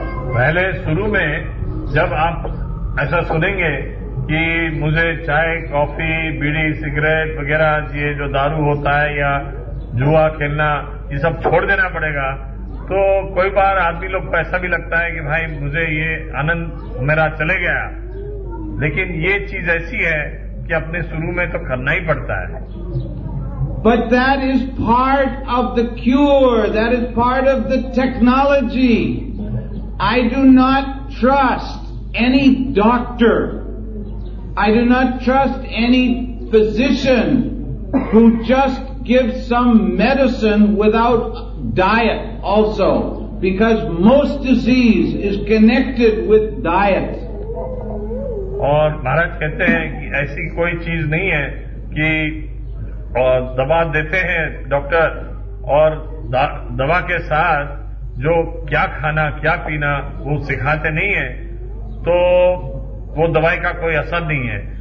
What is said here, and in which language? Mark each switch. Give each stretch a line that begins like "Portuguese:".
Hindi: पहले शुरू में जब आप ऐसा सुनेंगे कि मुझे चाय, कॉफी, बीड़ी, सिगरेट वगैरह, ये जो दारू होता है या जुआ खेलना ये सब छोड़ देना पड़ेगा। तो कोई बार आदमी लोग पैसा भी लगता है कि भाई मुझे ये आनंद मेरा चले गया, लेकिन ये चीज ऐसी है कि अपने शुरू में तो करना ही पड़ता है।
English: But that is part of the cure, that is part of the technology. I do not trust any doctor, I do not trust any physician who just gives some medicine without diet also, because most disease is connected with diet.
Hindi: और महाराज कहते हैं कि ऐसी कोई चीज नहीं है कि दवा देते हैं डॉक्टर और दवा के साथ जो क्या खाना क्या पीना वो सिखाते नहीं है, तो वो दवाई का कोई असर नहीं है।